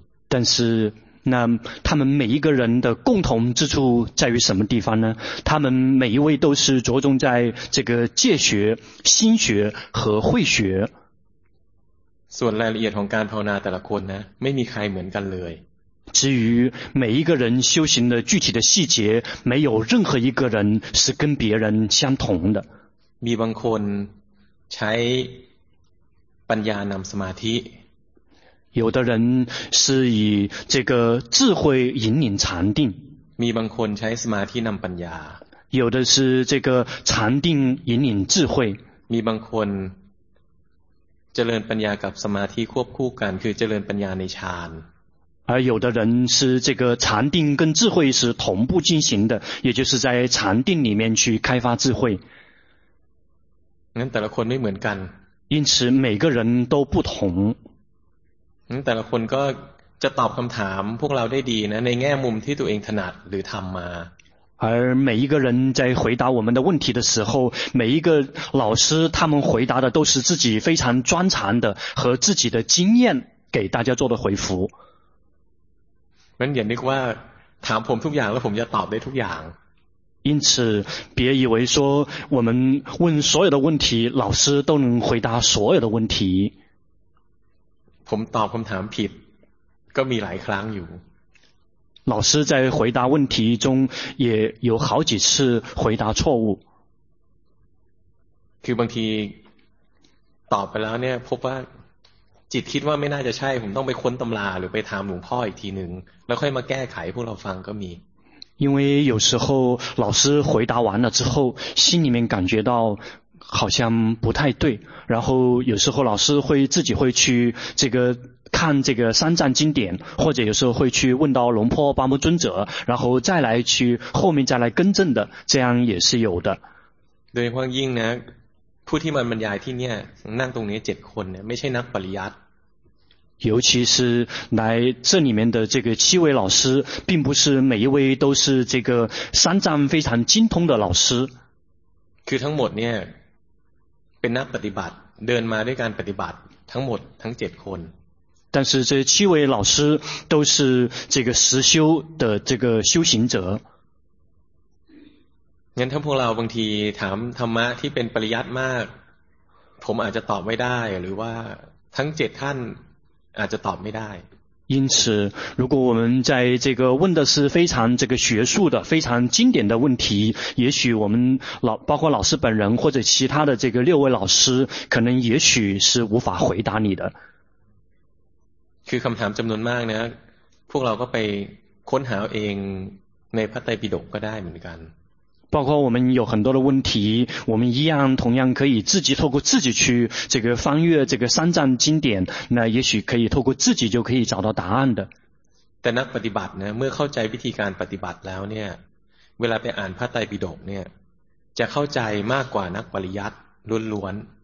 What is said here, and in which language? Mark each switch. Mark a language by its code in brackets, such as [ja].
[zh] 但是那他们每一个人的共同之处在于什么地方呢？他们每一位都是着重在这个戒学、心学和慧学。 [th] ส่วนรายละเอียดของการภาวนาแต่ละคนนะไม่มีใครเหมือนกันเลย [zh] 至于每一个人修行的具体的细节，没有任何一个人是跟别人相同的。 [th] มีบางคนใช้ปัญญานำสมาธิ [zh] 有的人是以这个智慧引领禅定 [th] มีบางคนใช้สมาธินำปัญญา [zh] 有的是这个禅定引领智慧 [th] มีบางคนเจริญปัญญากับสมาธิควบคู่กันคือเจริญปัญญาในฌาน [zh] 而有的人是这个禅定跟智慧是同步进行的也就是在禅定里面去开发智慧 [th] งั้นแต่ละคนไม่เหมือนกัน [zh] 因此每个人都不同 ง [th] แต่ละคนก็จะตอบคำถามพวกเราได้ดีนะในแง่มุมที่ตัวเองถนัดหรือทำมา [zh] 而每一个人在回答我们的问题的时候，每一个老师他们回答的都是自己非常专长的和自己的经验给大家做的回复。 [th] มันอย่านึกว่าถามผมทุกอย่างแล้วผมจะตอบได้ทุกอย่าง。 [zh] 因此，别以为说我们问所有的问题，老师都能回答所有的问题。 [th] ผมตอบคำถามผิดก็มีหลายครั้งอยู่ [zh] 老师在回答问题中也有好几次回答错误。 [th] คือบางทีตอบไปแล้วเนี่ยพบว่าจิตคิดว่าไม่น่าจะใช่ผมต้องไปค้นตำราหรือไปถามหลวงพ่ออีกทีนึงแล้วค่อยมาแก้ไขพวกเราฟังก็มี [zh] 因为有时候老师回答完了之后心里面感觉到好像不太对然后有时候老师会自己会去这个看这个三藏经典或者有时候会去问到龙婆巴木尊者然后再来去后面再来更正的这样也是有的对方应呢菩提门门牙提念让东尼解困呢没谁能把你压尤其是来这里面的这个七位老师并不是每一位都是这个三藏非常精通的老师 [th] คือทั้งหมดเนี่ยเป็นนักปฏิบัติเดินมาด้วยการปฏิบัติทั้งหมดทั้งเจ็ดคน [zh] 但是这七位老师都是这个实修的这个修行者 [th] งั้นถ้าพวกเราบางทีถามธรรมะที่เป็นปริยัติมากผมอาจจะตอบไม่ได้หรือว่าทั้งเจ็ดท่านอาจจะตอบไม่ได้ [zh] 因此如果我们在这个问的是非常这个学术的非常经典的问题也许我们老包括老师本人或者其他的这个六位老师可能也许是无法回答你的 [th] คือคำถามจำนวนมากนะพวกเราก็ไปค้นหาเองในพระไตรปิฎกก็ได้เหมือนกัน [zh] 包括我们有很多的问题我们一样同样可以自己透过自己去这个翻阅这个三藏经典那也许可以透过自己就可以找到答案的 [th] แต่นักปฏิบัตินะเมื่อเข้าใจวิธีการปฏิบัติแล้วเนี่ยเวลาไปอ่านพระไตรปิฎกเนี่ยจะเข้าใจมากกว่านักปริยัติล้วน